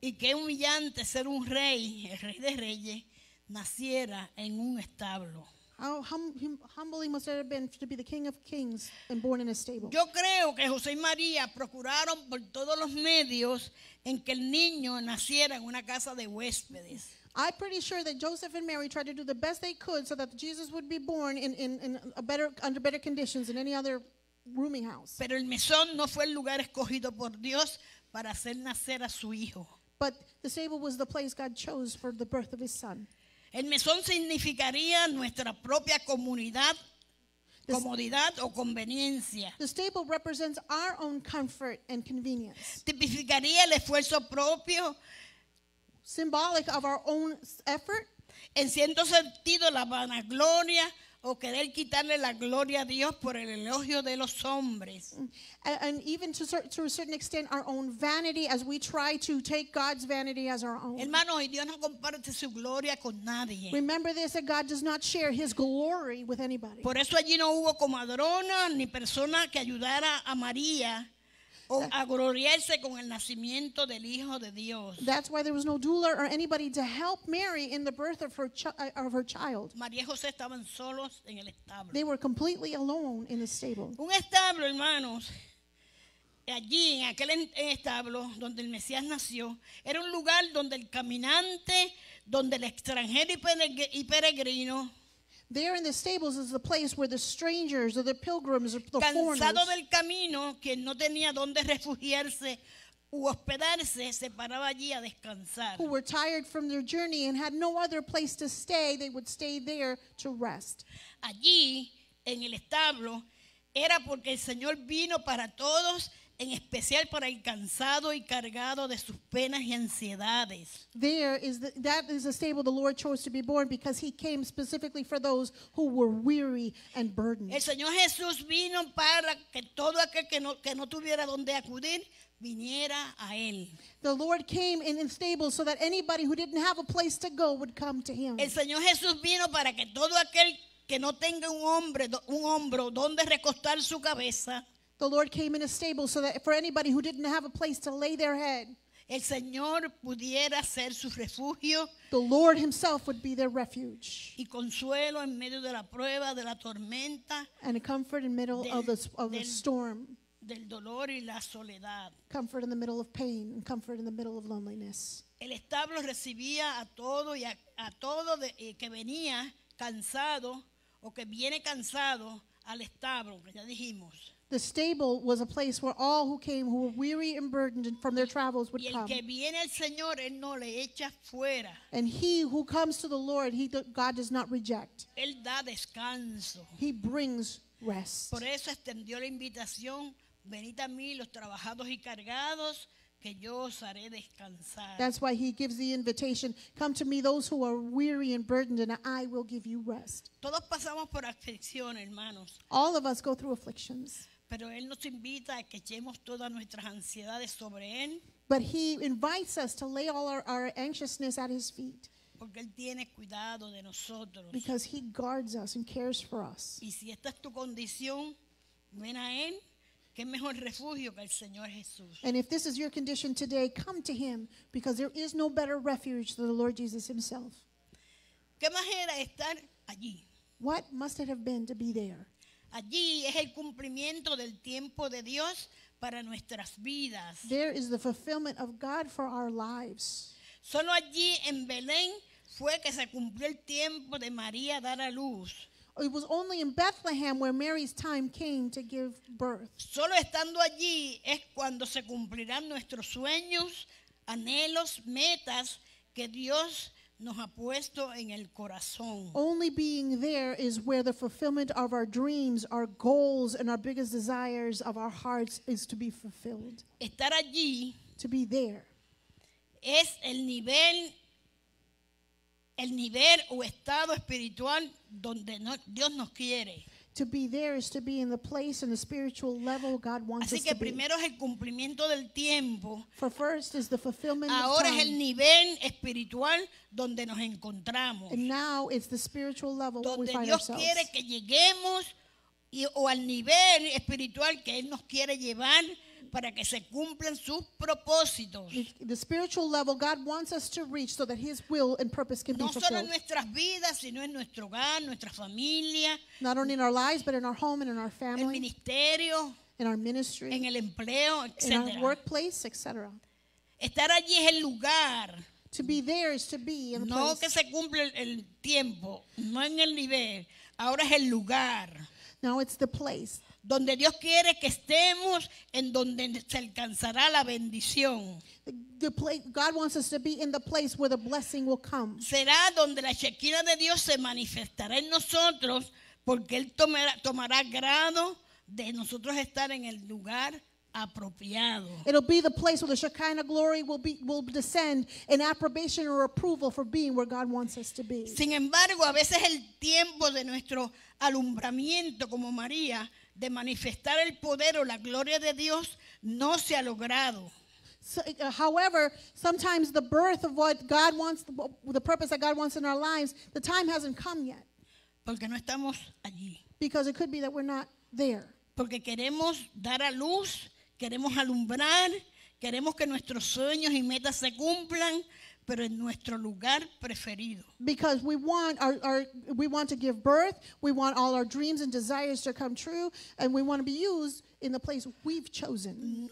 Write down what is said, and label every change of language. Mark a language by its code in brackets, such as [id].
[es] Y qué humillante ser un rey, el rey de reyes, naciera en un establo. [en] How humbling must it have been to be the king of kings and born in a stable? [es] Yo creo que José y María procuraron por todos los medios en que el niño naciera en una casa de huéspedes. [en] I'm pretty sure that Joseph and Mary tried to do the best they could so that Jesus would be born in a better, under better conditions than any other rooming house. [es] Pero el mesón no fue el lugar escogido por Dios para hacer nacer a su hijo. [en] But the stable was the place God chose for the birth of his son. [es] El mesón significaría nuestra propia comunidad, comodidad o conveniencia. [en] The stable represents our own comfort and convenience. [es] Tipificaría el esfuerzo propio. [en] Symbolic of our own effort. [es] En cierto sentido, la vanagloria o querer quitarle la gloria a Dios por el elogio de los hombres. [en] And even to a certain extent, our own vanity as we try to take God's vanity as our own. [es] Hermano, Dios no comparte su gloria con nadie. [en] Remember this, that God does not share his glory with anybody. [es] Por eso allí no hubo comadrona ni persona que ayudara a María o a gloriarse con el nacimiento del Hijo de Dios. [en] That's why there was no doula or anybody to help Mary in the birth of her child. [es] María y José estaban solos en el establo. [en] They were completely alone in the stable. [es] Un establo, hermanos, allí en aquel establo donde el Mesías nació, era un lugar donde el caminante, donde el extranjero y peregrino. [en] There in the stables is the place where the strangers or the pilgrims or the [es] cansado [en] foreigners. [es] Cansado del camino, quien no tenía donde refugiarse u hospedarse, se paraba allí a descansar. [en] Who were tired from their journey and had no other place to stay, they would stay there to rest. [es] Allí, en el establo, era porque el Señor vino para todos, en especial para el cansado y cargado de sus penas y ansiedades. [en] That is the stable the Lord chose to be born because he came specifically for those who were weary and burdened. [es] El Señor Jesús vino para que todo aquel que no tuviera donde acudir viniera a él. [en] The Lord came in the stable so that anybody who didn't have a place to go would come to him. [es] El Señor Jesús vino para que todo aquel que no tenga un hombre, un hombro donde recostar su cabeza. [en] The Lord came in a stable so that for anybody who didn't have a place to lay their head. [es] El Señor pudiera ser su refugio. [en] The Lord himself would be their refuge. [es] Y consuelo en medio de la prueba, de la tormenta. [en] And a comfort in the middle of the storm. [es] Del dolor y la soledad. [en] Comfort in the middle of pain and comfort in the middle of loneliness. [es] El establo recibía a todo y a todo de, que venía cansado o que viene cansado al establo, ya dijimos. [en] The stable was a place where all who came, who were weary and burdened from their travels, would [es] y el [en] come. [es] Que viene el Señor, él no le echa fuera. [en] And he who comes to the Lord, God does not reject. [es] Él da descanso. [en] He brings rest. [es] Por eso extendió la invitación, venid a mí los trabajados y cargados, que yo os haré descansar. [en] That's why he gives the invitation, come to me those who are weary and burdened, and I will give you rest. [es] Todos pasamos por aflicción, hermanos. [en] All of us go through afflictions. [es] Pero él nos invita a que echemos todas nuestras ansiedades sobre él. [en] But he invites us to lay all our anxiousness at his feet. [es] Porque él tiene cuidado de nosotros. [en] Because he guards us and cares for us. [es] Y si esta es tu condición, ven a él. ¿Qué mejor refugio que el Señor Jesús? [en] And if this is your condition today, come to him, because there is no better refuge than the Lord Jesus himself. [es] ¿Qué más era estar allí? [en] What must it have been to be there? [es] Allí es el cumplimiento del tiempo de Dios para nuestras vidas. [en] There is the fulfillment of God for our lives. [es] Solo allí en Belén fue que se cumplió el tiempo de María dar a luz. [en] It was only in Bethlehem where Mary's time came to give birth. [es] Solo estando allí es cuando se cumplirán nuestros sueños, anhelos, metas que Dios nos ha puesto en el corazón. [en] Only being there is where the fulfillment of our dreams, our goals, and our biggest desires of our hearts is to be fulfilled. [es] Estar allí, [en] to be there, [es] es el nivel o estado espiritual donde no, Dios nos quiere. [en] To be there is to be in the place and the spiritual level God wants us to be. [es] Así que primero es el cumplimiento del tiempo. [en] For first is the fulfillment of time. [es] Ahora es el nivel espiritual donde nos encontramos. [en] And now it's the spiritual level where we find ourselves. [es] Donde Dios quiere que lleguemos y, o al nivel espiritual que Él nos quiere llevar para que se cumplan sus propósitos. [en] The spiritual level God wants us to reach so that his will and purpose can [es] no [en] be fulfilled. [es] No solo en nuestras vidas, sino en nuestro hogar, nuestra familia. [en] Not only in our lives, but in our home and in our family. [es] En el ministerio. [en] In our ministry. [es] En el empleo, etc. [en] In our workplace, etc. [es] Estar allí es el lugar. [en] To be there is to be in the [es] no [en] place. [es] Que se cumple el tiempo, no en el nivel. Ahora es el lugar. [en] Now it's the place. [es] Donde Dios quiere que estemos, en donde se alcanzará la bendición. [en] God wants us to be in the place where the blessing will come. [es] Será donde la Shekinah de Dios se manifestará en nosotros, porque Él tomará grado de nosotros estar en el lugar apropiado. [en] It'll be the place where the Shekinah glory will descend in approbation or approval for being where God wants us to be. [es] Sin embargo, a veces el tiempo de nuestro alumbramiento como María, de manifestar el poder o la gloria de Dios, no se ha logrado. [en] However, sometimes the birth of what God wants, the purpose that God wants in our lives, the time hasn't come yet. [es] Porque no estamos allí. [en] Because it could be that we're not there. [es] Porque queremos dar a luz, queremos alumbrar, queremos que nuestros sueños y metas se cumplan, pero en nuestro lugar preferido. [en] Because we want we want to give birth, we want all our dreams and desires to come true, and we want to be used in the place we've chosen.